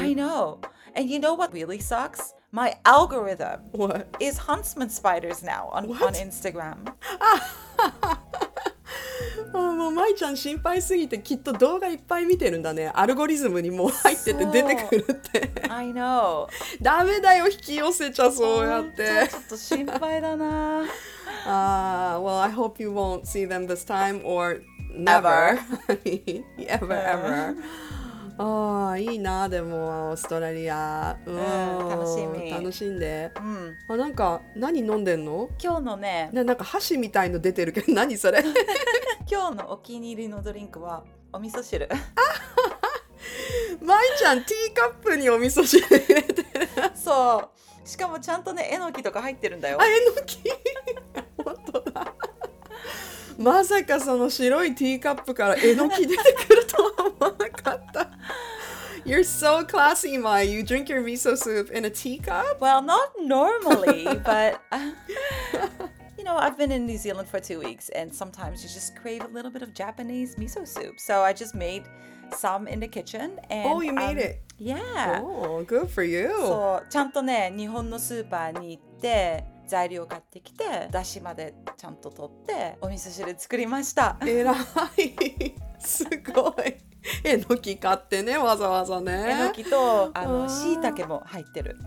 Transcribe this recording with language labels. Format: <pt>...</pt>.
<en>I know. And you know what really sucks? My algorithm is huntsman spiders now on Instagram.</en> <ja>あ、もうマイちゃん心配すぎてきっと動画いっぱい見てるんだね。アルゴリズムにもう入ってて出てくるって。</ja> <en>I know.</en> <ja>ダメだよ、引き寄せちゃそうやって。ちょっと心配だな。</ja> <en>well, I hope you won't see them this time or never. Ever. I mean, ever, ever.</en> <ja>あいいな、でもオーストラリア、うん、楽しみ楽しんで、うん、あなんか何飲んでんの今日のね、なんか箸みたいの出てるけど何それ今日のお気に入りのドリンクはお味噌汁あまいちゃんティーカップにお味噌汁入れてるそう、しかもちゃんとねえのきとか入ってるんだよ。あえのき本当だまさかその白いティーカップからえのき出てくるとは思わなかった</ja> <en>You're so classy, Mai. You drink your miso soup in a teacup? Well, not normally, but you know, I've been in New Zealand for 2 weeks and sometimes you just crave a little bit of Japanese miso soup. So I just made some in the kitchen. And, oh, you made it? Yeah. Oh, good for you.</en> <ja>So, ちゃんとね、日本のスーパーに行って材料買ってきて、だしまでちゃんと取ってお味噌汁作りました。えらい。すごい。えのき買ってね、わざわざね。えのきとあの椎茸も入ってる。</ja>